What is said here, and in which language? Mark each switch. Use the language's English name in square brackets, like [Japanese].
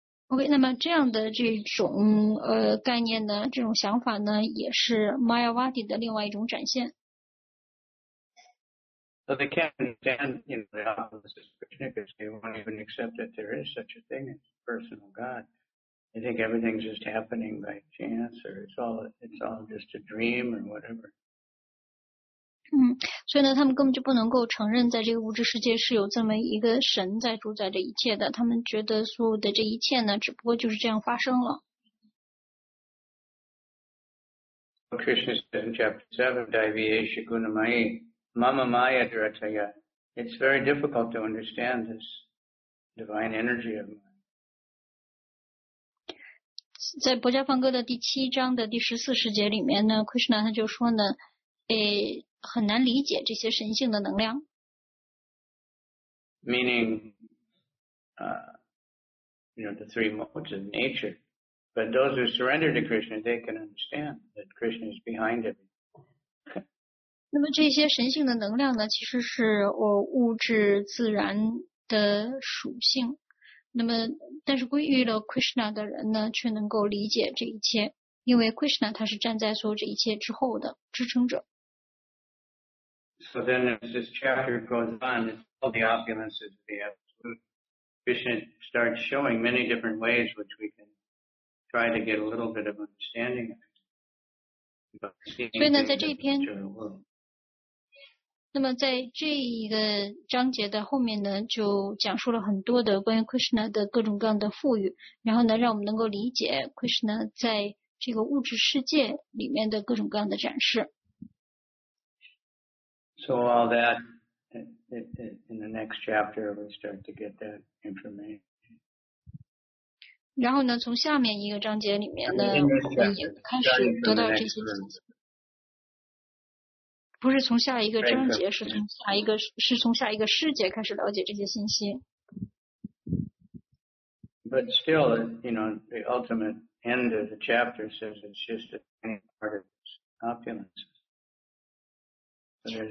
[Chinese] OK, 那么这样的这种概念呢，这种想法呢，也是 Mayavadi 的另外一种展现。 [English] So they can't understand, you know, the opposite of Krishna because they won't even accept that there is such a thing as personal God. They think everything's just happening by chance or it's all just a dream or whatever. [Chinese] 所以呢，他们根本就不能够承认在这个物质世界是有这么一个神在主宰着一切的。他们觉得所有的这一切呢，只不过就是这样发生了。 [English] Krishna said in chapter 7, [Sanskrit] Daivyesha Gunamayi, Mama Maya Dratyaya. [English] It's very difficult to understand this divine energy of mine. [Chinese] 在《薄伽梵歌》的第七章的第十四世节里面呢 ，Krishna 他就说呢，很难理解这些神性的能量。 [English] Meaning, you know, the three modes of nature. But those who surrender to Krishna, they can understand that Krishna is behind it. [Chinese] 那么这些神性的能量呢，其实是物质自然的属性。那么，但是归于了 Krishna 的人呢，却能够理解这一切，因为 Krishna 他是站在所有这一切之后的支撑者。 [English] So then as this chapter goes on, all the opulences of the Absolute, Krishna starts showing many different ways which we can try to get a little bit of understanding of it. [Chinese] 所以呢，在这篇，那么在这一个章节的后面呢，就讲述了很多的关于 Krishna 的各种各样的富裕，然后呢，让我们能够理解 Krishna 在这个物质世界里面的各种各样的展示。 [English] So all that, in the next chapter, we start to get that information. [Chinese] 然后呢，从下面一个章节里面呢，我们开始得到这些信息。不是从下一个章节，是从下一个，是从下一个世界开始了解这些信息。 [English] But still, you know, the ultimate end of the chapter says it's just a tiny part of its opulence.